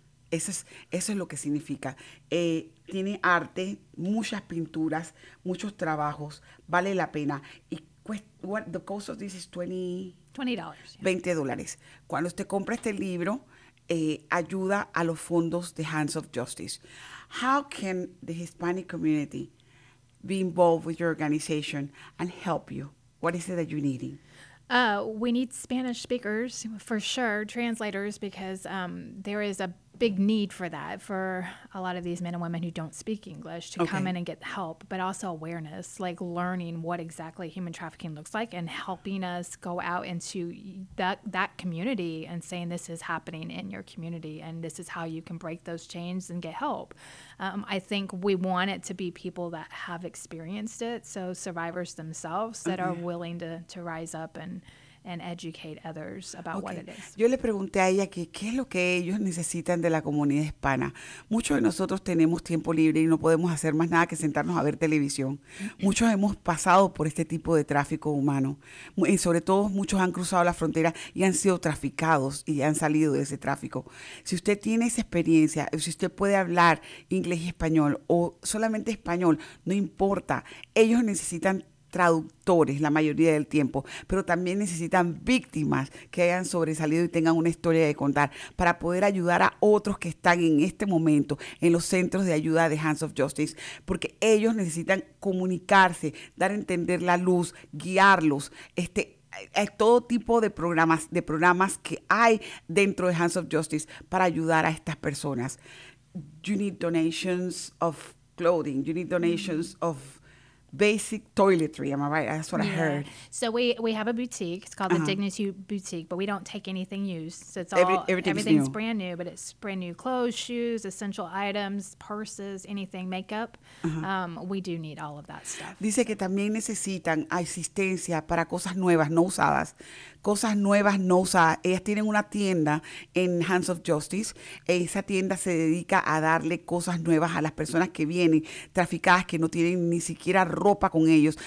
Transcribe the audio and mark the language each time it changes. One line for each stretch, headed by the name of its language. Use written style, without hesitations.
Spanish: Eso es lo que significa. Tiene arte, muchas pinturas, muchos trabajos, vale la pena. Y
English: the cost of this is $20.
Spanish: Cuando usted compra este libro, ayuda a los fondos de Hands of Justice.
English: How can the Hispanic community be involved with your organization and help you? What is it that you're needing? We need Spanish speakers, for sure, translators, because there is a big need for that, for a lot of these men and women who don't speak English to come in and get help, but also awareness, like learning what exactly human trafficking looks like and helping us go out into that community and saying this is happening in your community and this is how you can break those chains and get help. I think we want it to be people that have experienced it, so survivors themselves that are willing to rise up and educate others about what it is.
Spanish: Yo le pregunté a ella que qué es lo que ellos necesitan de la comunidad hispana. Muchos de nosotros tenemos tiempo libre y no podemos hacer más nada que sentarnos a ver televisión. Muchos hemos pasado por este tipo de tráfico humano. Y sobre todo, muchos han cruzado la frontera y han sido traficados y han salido de ese tráfico. Si usted tiene esa experiencia, si usted puede hablar inglés y español, o solamente español, no importa, ellos necesitan traductores la mayoría del tiempo, pero también necesitan víctimas que hayan sobresalido y tengan una historia de contar para poder ayudar a otros que están en este momento en los centros de ayuda de Hands of Justice, porque ellos necesitan comunicarse, dar a entender la luz, guiarlos. Hay todo tipo de programas que hay dentro de Hands of Justice para ayudar a estas personas.
English: You need donations of clothing, you need donations of basic toiletry, am I right? That's what I heard. So we have a boutique. It's called the Dignity Boutique, but we don't take anything used. So it's everything's new. Brand new, but it's brand new clothes, shoes, essential items, purses, anything, makeup. We do need all of that stuff.
Spanish: Dice que también necesitan asistencia para cosas nuevas, no usadas. Cosas nuevas, no usadas. Ellas tienen una tienda en Hands of Justice. Esa tienda se dedica a darle cosas nuevas a las personas que vienen, traficadas, que no tienen ni siquiera ropa con ellos.